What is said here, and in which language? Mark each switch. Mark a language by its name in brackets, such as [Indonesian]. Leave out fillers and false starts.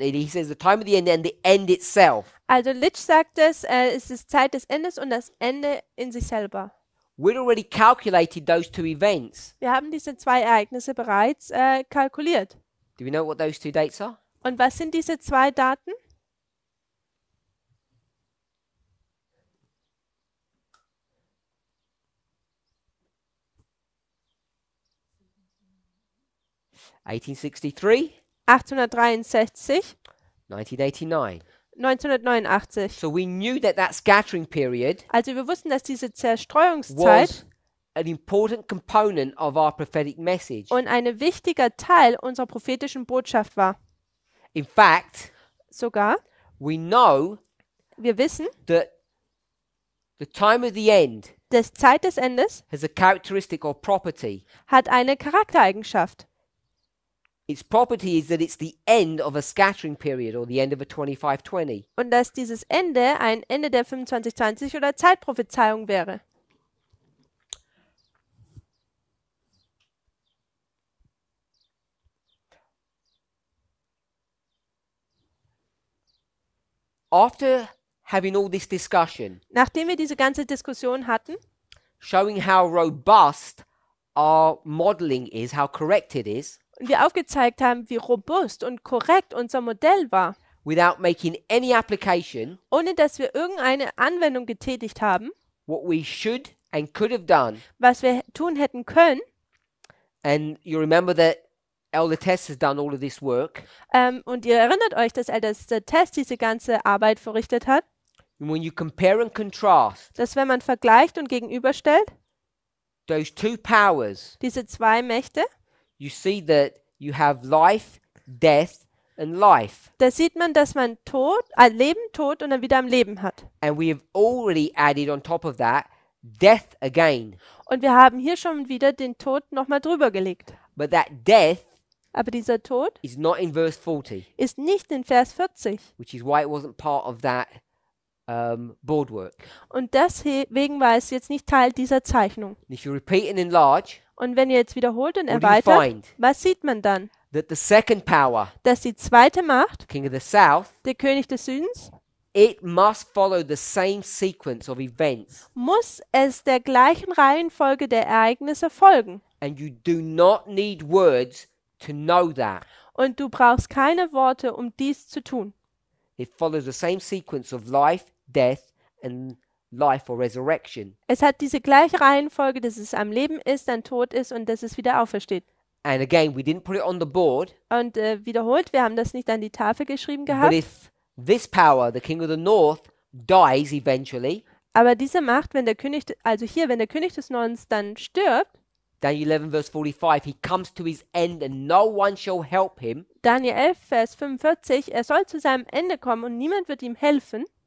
[English] He says the time of the end and the end itself. [German] Also Litch sagt es, es ist Zeit des Endes und das Ende in sich selber. [English] We'd already calculated those two events. [German] Wir haben diese zwei Ereignisse bereits kalkuliert. [English] Do we know what those two dates are? [German] Und was sind diese zwei Daten? [English] 1863, [German] 863, [English] 1989. [German] 1989. [English] So we knew that that scattering period [German] Also wir wussten, dass diese Zerstreuungszeit [English] was an important component of our prophetic message. [German] und ein wichtiger Teil unserer prophetischen Botschaft war. [English] In fact, [German] Sogar, [English] we know [German] wir wissen, [English] that the time of the end [German] dass Zeit des Endes [English] has a characteristic or property. [German] hat eine Charaktereigenschaft. [English] Its property is that it's the end of a scattering period or the end of a 25-20. [German] Und dass dieses Ende ein Ende der 2520 oder Zeitprophezeiung wäre. [English] After having all this discussion, [German] Nachdem wir diese ganze Diskussion hatten, [English] showing how robust our modeling is, how correct it is, [German] und wir aufgezeigt haben, wie robust und korrekt unser Modell war, [English] without making any application, [German] ohne dass wir irgendeine Anwendung getätigt haben, [English] what we should and could have done, [German] was wir tun hätten können, [English] and you remember that Elder Tess has done all of this work. [German] und ihr erinnert euch, dass Elder Test diese ganze Arbeit verrichtet hat, [English] When you compare and contrast [German] dass wenn man vergleicht und gegenüberstellt, [English] those two powers, [German] diese zwei Mächte, [English] you see that you have life, death, and life. [German] Da sieht man, dass man Tod, Leben, Tod und dann wieder am Leben hat. [English] And we have already added on top of that death again. [German] Und wir haben hier schon wieder den Tod nochmal drüber gelegt. [English] But that death [German] Aber dieser Tod [English] is not in verse 40, [German] ist nicht in Vers 40. [English] which is why it wasn't part of that board work. [German] Und deswegen war es jetzt nicht Teil dieser Zeichnung. [English] And if you repeat and enlarge, [German] Und wenn ihr jetzt wiederholt und [English] what do you find? [German] was sieht man dann? [English] That the second power, [German] Dass die zweite Macht, [English] King of the South, [German] der König des Südens, [English] it must follow the same sequence of events. [German] muss es der gleichen Reihenfolge der Ereignisse folgen. [English] And you do not need words to know that. [German] Und du brauchst keine Worte, um dies zu tun. [English] It follows the same sequence of life, death, and life or resurrection. [German] Es hat diese gleiche Reihenfolge, dass es am Leben ist, dann tot ist und dass es wieder aufersteht. [English] And again, we didn't put it on the board. [German] Und wiederholt, wir haben das nicht an die Tafel geschrieben [English] But [German] gehabt. [English] if this power, the King of the North, dies eventually, [German] Aber diese Macht, wenn der König, also hier, wenn der König des Nordens dann stirbt, [English] Daniel 11, verse 45, he comes to his end and no one shall help him. [German] Daniel 11, Vers 45, er soll zu seinem Ende kommen und niemand wird ihm helfen.